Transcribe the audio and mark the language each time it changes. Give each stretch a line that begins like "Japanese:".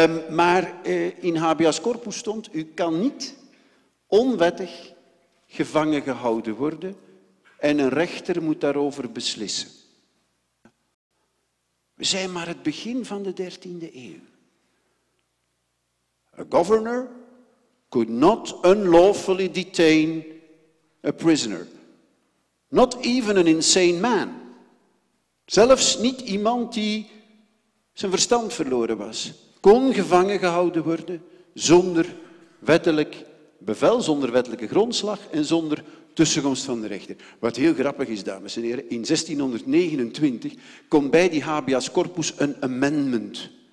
Dutch: Maar in habeas corpus stond, u kan niet onwettig gevangen gehouden worden en een rechter moet daarover beslissen. We zijn maar het begin van de 13e eeuw.
English: A governor could not unlawfully detain a prisoner. Not even an insane man.
Dutch: Zelfs niet iemand die zijn verstand verloren was, kon gevangen gehouden worden zonder wettelijk bevel, zonder wettelijke grondslag en zonder tussenkomst van de rechter. Wat heel grappig is, dames en heren, in 1629 komt bij die habeas corpus een amendment.